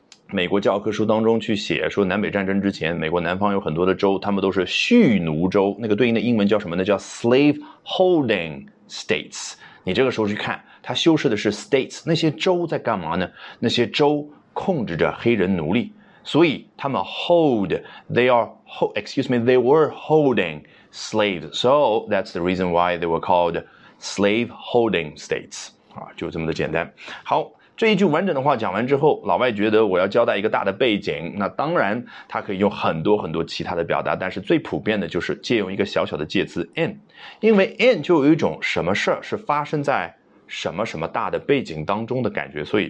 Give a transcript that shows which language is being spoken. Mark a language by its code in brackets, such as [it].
[zh] 美国教科书当中去写说，南北战争之前，美国南方有很多的州，他们都是蓄奴州，那个对应的英文叫什么呢？叫 slave holding states。你这个时候去看，它修饰的是 states，那些州在干嘛呢？那些州控制着黑人奴隶，所以他们 [en] they were holding slaves。 So that's the reason why they were called slave holding states。 [zh] 啊，就这么的简单。好。这一句完整的话讲完之后，老外觉得我要交代一个大的背景。那当然，他可以用很多很多其他的表达，但是最普遍的就是借用一个小小的介词 in，因为 in 就有一种什么事儿是发生在什么什么大的背景当中的感觉。